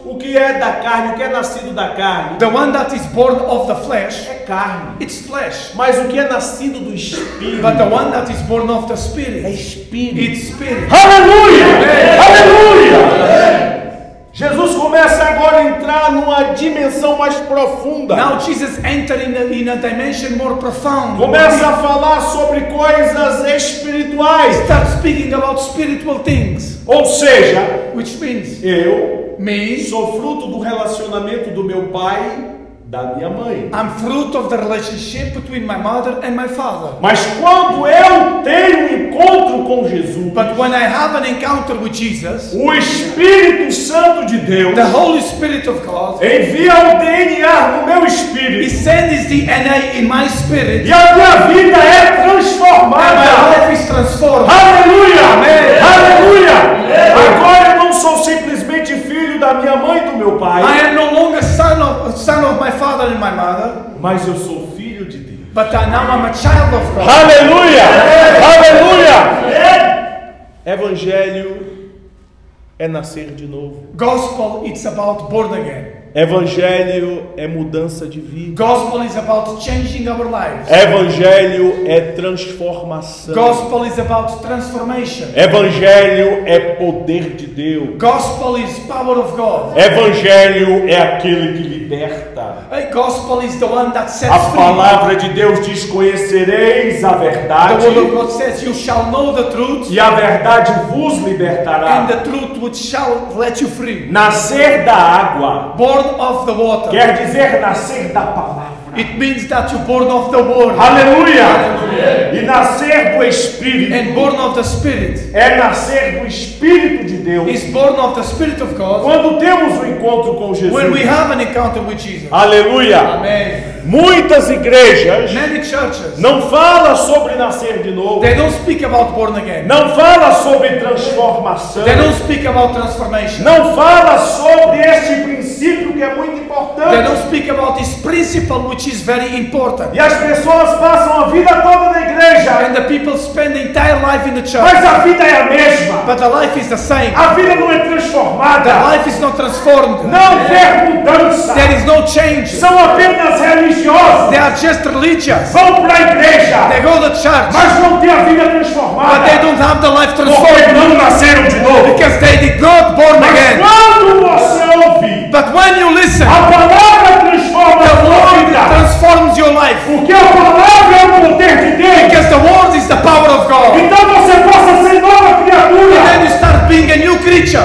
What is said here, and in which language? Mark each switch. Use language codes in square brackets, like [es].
[pt] O que é da carne? O que é nascido da carne? [en] The one that is born of the flesh. [pt] É carne. [en] It's flesh. [pt] Mas o que é nascido do espírito? [en] But the one that is born of the spirit. [pt] É espírito. [en] It's spirit. [pt] Aleluia! Amém. Aleluia! Amém. Jesus começa agora a entrar numa dimensão mais profunda. [en] Now Jesus enters in a dimension more profound. [pt] Começa a falar sobre coisas espirituais. [en] Start speaking about spiritual things. [pt] Ou seja, [en] which means [pt] eu, [en] me, [pt] sou fruto do relacionamento do meu pai, da minha mãe. [en] I'm fruit of the relationship between my mother and my father. [pt] Mas quando eu tenho um encontro com Jesus, [en] but when I have an encounter with Jesus, [pt] o Espírito Santo de Deus, [en] the Holy Spirit of God, [pt] envia o DNA no meu espírito. [en] He sends the DNA in my spirit. [pt] E a minha vida é transformada. [en] And my life is transformed. [pt] Aleluia. Amém. Aleluia. Agora eu não sou simplesmente filho da minha mãe e do meu pai. [en] I am no longer son of my father and my mother. [pt] Mas eu sou filho de Deus. [en] But now I'm a child of God. [pt] Aleluia! É. Aleluia! É. Evangelho é nascer de novo. [en] Gospel, it's about born again. [pt] Evangelho é mudança de vida. [en] Gospel is about changing our lives. [pt] Evangelho é transformação. [en] Gospel is about transformation. [pt] Evangelho é poder de Deus. [en] Gospel is power of God. [pt] Evangelho é aquele que liberta. [en] A gospel is the one that sets [pt] a palavra free. De Deus diz, conhecereis a verdade. [en] The word of God says, you shall know the truth. [pt] E a verdade vos libertará. [en] And the truth which shall let you free. [pt] Nascer da água. [en] Born of the water. [pt] Quer dizer nascer da palavra. [en] It means that you're born of the word. [pt] Aleluia. Aleluia. E nascer do espírito. [en] And born of the spirit. [pt] É nascer do espírito de Deus. [en] Is born of the spirit of God. [pt] Quando temos um encontro com Jesus. [en] When we have an encounter with Jesus. [pt] Aleluia. Amém. Muitas igrejas, [en] many churches, [pt] não fala sobre nascer de novo. [en] They don't speak about born again. [pt] Não fala sobre transformação. [en] They don't speak about transformation. [pt] Não fala sobre este princípio que é muito importante. [en] They don't speak about this principle which is very important. [pt] E as pessoas passam a vida toda na igreja. [en] And the people spend the entire life in the church. [pt] Mas a vida é a mesma. [en] But the life is the same. [pt] A vida não é transformada. [en] The life is not transformed. [pt] Não vê mudança. [en] There is no change. [pt] São apenas religiosos. [en] They are just religious. [pt] Vão para a igreja. [en] They go to church. [pt] Mas não têm a vida transformada. [en] But they don't have the life transformed. [pt] Porque não nasceram de novo. [en] Because they did not born [pt] Mas [en] again. [pt] Quando você ouve, [en] but when you listen, [pt] a palavra transforma [en] the word [pt] vida. [en] Transforms your life. [pt] Porque a palavra é o poder de Deus. [en] Because the word is the power of God. [pt] Então você possa ser nova criatura. [en] And then you start being a new creature.